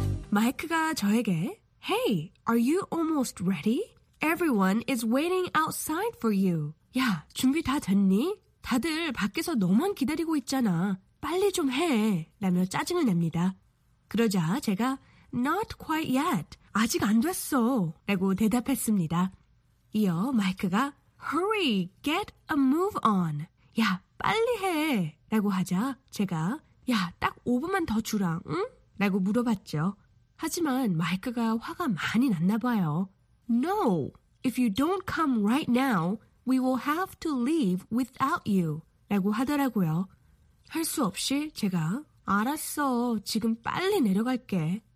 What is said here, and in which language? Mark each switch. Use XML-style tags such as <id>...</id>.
<ko>Mike가 저에게,</ko> <en>Hey, are you almost ready? Everyone is waiting outside for you.</en> <ko>야, 준비 다 됐니? 다들 밖에서 너만 기다리고 있잖아. 빨리 좀 해. 라며 짜증을 냅니다. 그러자 제가</ko> <en>not quite yet.</en> <ko>아직 안 됐어. 라고 대답했습니다. 이어 마이크가</ko> <en>hurry, get a move on.</en> <ko>야, 빨리 해. 라고 하자 제가 야, 딱 5분만 더 주라. 응? 라고 물어봤죠. 하지만 마이크가 화가 많이 났나 봐요.</ko> <en>No, if you don't come right now, we will have to leave without you.</en> <ko>라고 하더라고요. 할 수 없이 제가 알았어, 지금 빨리 내려갈게.</ko>